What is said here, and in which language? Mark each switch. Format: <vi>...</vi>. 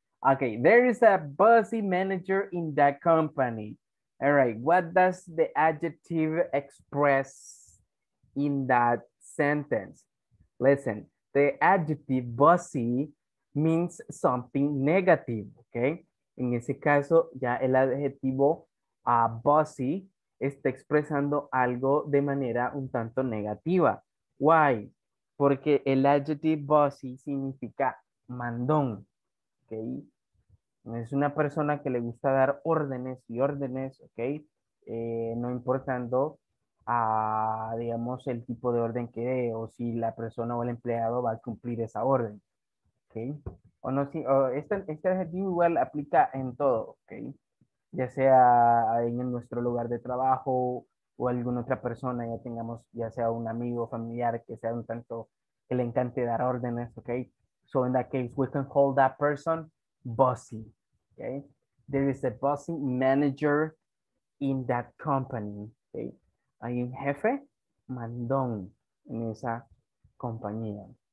<en>Okay, there is a bossy manager in that company. All right, what does the adjective express in that sentence? Listen, the adjective bossy means something negative, okay?</en> <es>En ese caso, ya el adjetivo bossy está expresando algo de manera un tanto negativa. Why? Porque el adjective bossy significa mandón, okay? Es una persona que le gusta dar órdenes y órdenes, ¿ok? No importando, digamos, el tipo de orden que dé o si la persona o el empleado va a cumplir esa orden, ¿ok? O no, si, o este adjetivo igual aplica en todo, ¿ok? Ya sea en nuestro lugar de trabajo o alguna otra persona, ya tengamos, ya sea un amigo o familiar que sea un tanto que le encante dar órdenes, ¿ok?</es> <en>So in that case, we can call that person bossy. Okay, there is a bossy manager in that company.</en> <es>Okay, hay un jefe mandón en esa compañía.</es>